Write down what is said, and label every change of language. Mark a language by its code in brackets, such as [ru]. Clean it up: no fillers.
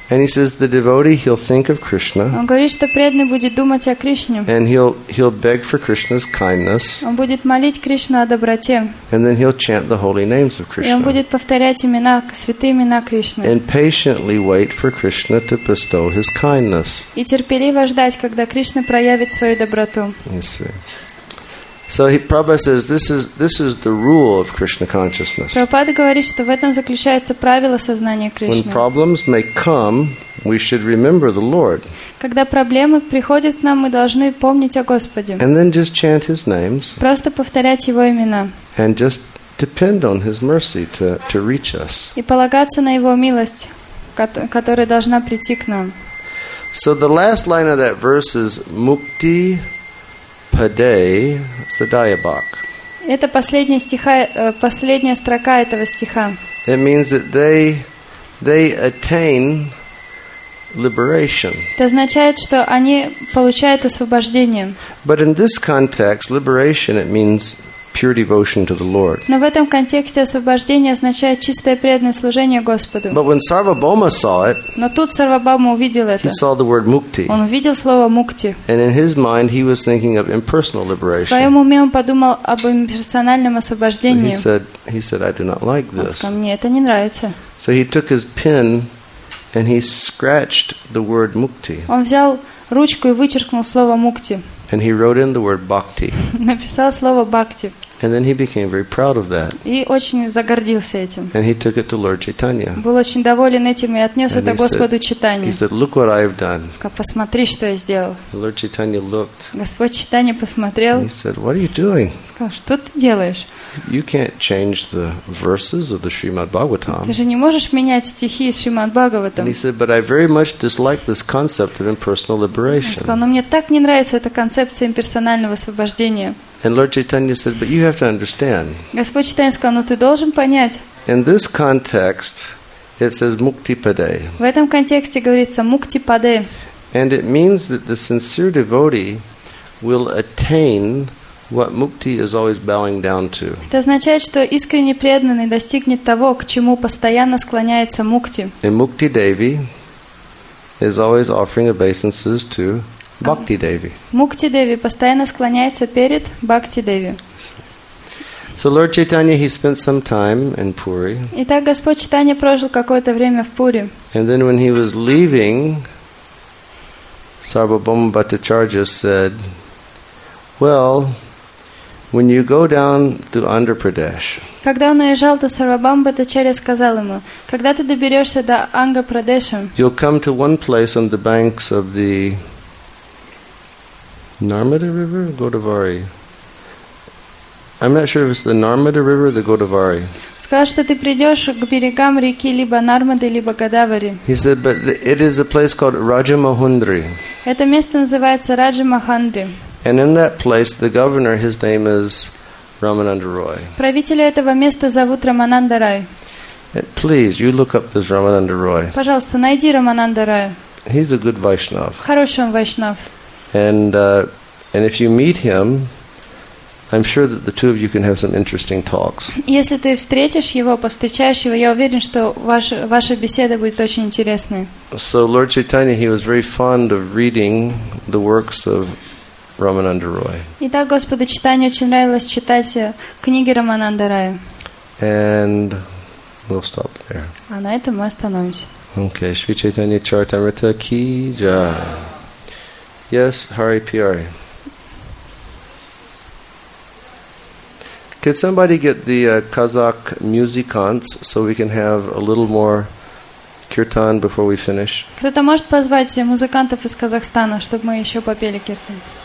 [en] And he says the devotee, he'll think of Krishna. [ru] Он говорит, что преданный будет думать о Кришне. [en] And he'll beg for Krishna's kindness. [ru] Он будет молить Кришну о доброте. [en] And then he'll chant the holy names of Krishna. [ru] И он будет повторять имена, святые имена Кришны. [en] And patiently wait for Krishna to bestow his kindness. [ru] И терпеливо ждать, когда Кришна проявит свою доброту. [en] So Prabhupada says this is the rule of Krishna consciousness. [ru] Прабхупада говорит, что в этом заключается правило сознания Кришны. [en] When problems may come, we should remember the Lord. [ru] Когда проблемы приходят к нам, мы должны помнить о Господе. [en] And then just chant His names. [ru] Просто повторять Его имена. [en] And just depend on His mercy to reach us. [ru] И полагаться на Его милость, которая должна прийти к нам. [en] So the last line of that verse is mukti. Паде садаябак. [ru] Это последняя стиха, последняя строка этого стиха. [en] It means that they attain liberation. [ru] Это означает, что они получают освобождение. [en] But in this context, liberation it means pure devotion to the Lord. [ru] Но в этом контексте освобождение означает чистое преданное служение Господу. [en] But when Sarvabhauma saw it, [ru] но тут Сарвабхаума увидел это. [en] He saw the word mukti. [ru] Он увидел слово мукти. [en] And in his mind, he was thinking of impersonal liberation. [ru] В своем уме он подумал об имперсональном освобождении. [en] So he said, I do not like this. [ru] Он сказал, мне это не нравится. [en] So he took his pen and he scratched the word mukti. [ru] Он взял ручку и вычеркнул слово мукти. [en] And he wrote in the word bhakti. [ru] Написал слово бхакти. [en] And then he became very proud of that. [ru] И очень загордился этим. [en] And he took it to Lord Chaitanya. [ru] Был очень доволен этим и отнес это Господу Чайтанье. [en] He said, "Look what I've done." [ru] Сказал, посмотри, что я сделал. [en] Lord Chaitanya looked. [ru] Господь Чайтанья посмотрел. [en] And he said, "What are you doing?" [ru] Сказал, что ты делаешь? [en] You can't change the verses of the Srimad Bhagavatam. [ru] Ты же не можешь менять стихи из Шримад Бхагаватам. [en] And he said, "But I very much dislike this concept of impersonal liberation." [ru] Сказал, но мне так не нравится эта концепция имперсонального освобождения. [en] And Lord Chaitanya said, "But you have to understand." [ru] Господь Чайтанья сказал, но ты должен понять. [en] In this context, it says mukti pade. [ru] В этом контексте говорится mukti pade. [en] And it means that the sincere devotee will attain what mukti is always bowing down to. [ru] Это означает, что искренне преданный достигнет того, к чему постоянно склоняется мукти. [en] And mukti devi is always offering obeisances to Bhakti Devi. [ru] Mukti Devi постоянно склоняется перед Bhakti Devi. [en] So Lord Chaitanya, he spent some time in Puri. [ru] Итак, Господь Чайтанья прожил какое-то время в Пури. [en] And then when he was leaving, Sarvabhauma Bhattacharya said, "Well, when you go down to Andhra Pradesh." [ru] Когда он уезжал, то Сарвабхаума Бхаттачарья сказал ему, "Когда ты доберешься до Андхра Прадеша?" [en] You'll come to one place on the banks of the Narmada River or Godavari? I'm not sure if it's the Narmada River or the Godavari. [ru] Сказал, что ты придешь к берегам реки либо Нармады, либо Годавари. [en] He said, but it is a place called Rajamahundri. [ru] Это место называется Раджамахандри. [en] And in that place, the governor, his name is Ramananda Roy. [ru] Правителя этого места зовут Рамананда Рай. [en] Please, you look up this Ramananda Roy. [ru] Пожалуйста, найди Рамананда Рая. [en] He's a good Vaishnav. [ru] Хороший он Вайшнав. [en] And if you meet him, I'm sure that the two of you can have some interesting talks. [ru] Если ты встретишь его, повстречаешь его, я уверен, что ваша беседа будет очень интересной. [en] So Lord Chaitanya, he was very fond of reading the works of [ru] Романанда Рой. И так, Господи, читание очень нравилось читать книги Романанда Рая. [en] And we'll stop there. [ru] А на этом мы остановимся. Okay, Шри Чайтанья Чаритамрита Ки Джай. [en] Yes, Hari Puri. Could somebody get the Kazakh musicants so we can have a little more kirtan before we finish? [ru] Кто-то может позвать музыкантов из Казахстана, чтобы мы еще попели киртан?